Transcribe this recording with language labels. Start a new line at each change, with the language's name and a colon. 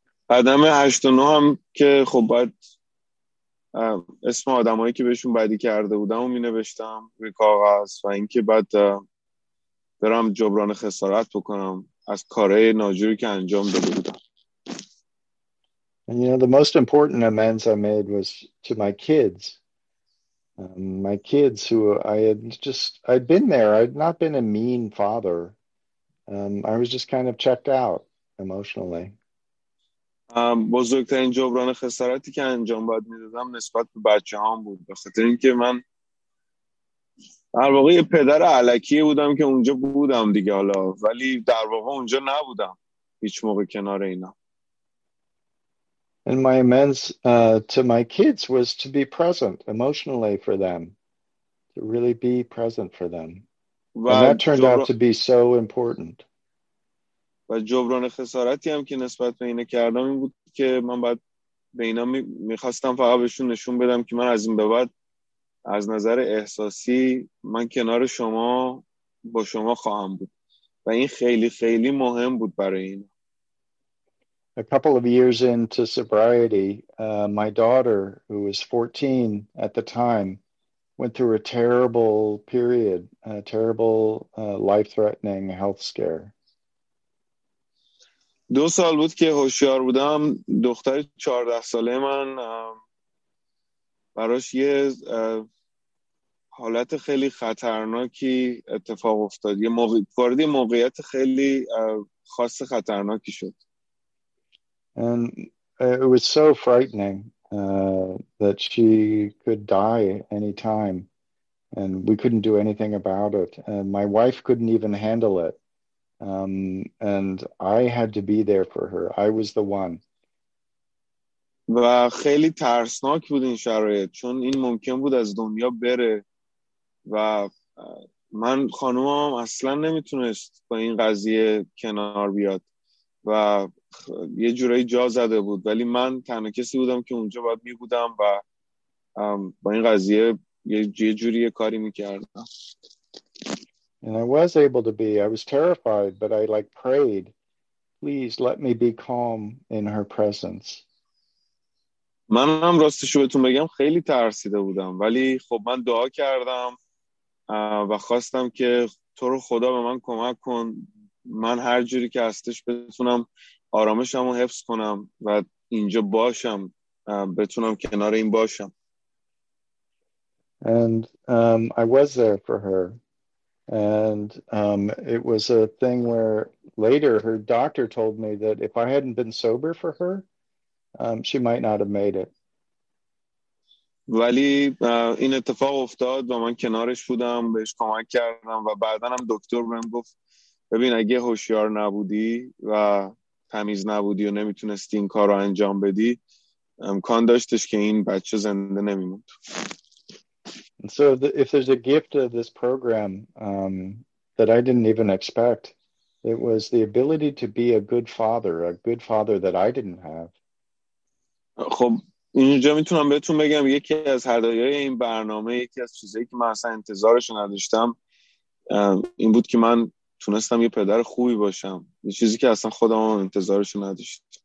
Persian: آدم 8 و 9 هم که خب بعد اسم آدمایی که بهشون بدی کرده بودم و مینوشتم روی کاغذ و اینکه بعد برام جبران خسارت بکنم از کارهای ناجوری که انجام داده بودم.
English: And you know the most important amends I made was to my kids. My kids who I'd been there. I'd not been a mean father. I was just kind of checked out emotionally.
Persian: بزرگترین جبران خسارتی که انجام باید میدادم نسبت به بچه هام بود به خاطر اینکه من در واقع یه پدر علکی بودم که اونجا بودم دیگه حالا، ولی در واقع اونجا نبودم هیچ موقع کنار اینا.
English: And my amends to my kids was to be present emotionally for them, to really be present for them. And that turned out to be so important.
Persian: و جبران خسارتی هم که نسبت به اینه کردم این بود که من بعد به اینا میخواستم فقط بهشون نشون بدم که من از این به بعد از نظر احساسی من کنار شما با شما خواهم بود و این خیلی خیلی مهم بود برای این.
English: A couple of years into sobriety, my daughter, who was 14 at the time, went through a terrible period, a terrible life-threatening health scare.
Persian: 2 سال بود که هوشیار بودم. دختر 14 ساله من براش یه حالت خیلی خطرناکی اتفاق افتاد. یه وارد موقعیت خیلی خاص خطرناکی شد.
English: And it was so frightening that she could die any time, and we couldn't do anything about it. And my wife couldn't even handle it. And I had to be there for her. I was the one.
Persian: و خیلی ترسناک بود این شرایط چون این ممکن بود از دنیا بره و من خانومم اصلا نمیتونست با این قضیه کنار بیاد و یه جورایی جا زده بود ولی من تنها کسی بودم که اونجا باید میبودم و با این قضیه یه جوری یه کاری میکردم.
English: And I was able to be, I was terrified, but I like prayed, please let me be calm in her presence.
Persian: منم راستش رو بهتون بگم خیلی ترسیده بودم ولی خب من دعا کردم و خواستم که تو رو خدا به من کمک کن من هر جوری که هستش بتونم آرامشم رو حفظ کنم و اینجا باشم بتونم کنار این باشم.
English: And I was there for her. And it was a thing where later her doctor told me that if I hadn't been sober for her, she might not have made it.
Persian: ولی این اتفاق افتاد و من کنارش بودم بهش کمک کردم و بعدن هم دکتر بهم گفت ببین اگه هوشیار نبودی و تمیز نبودی و نمیتونستی این کار رو انجام بدی امکان داشتش که این بچه زنده نمیموند.
English: And so if there's a gift of this program that I didn't even expect, it was the ability to be a good father that I didn't have.
Persian: خب اینجا میتونم بهتون بگم یکی از هدایای این برنامه یکی از چیزایی که من اصلا انتظارش نداشتم این بود که من تونستم یه پدر خوبی باشم یه چیزی که اصلا خودم انتظارش نداشت.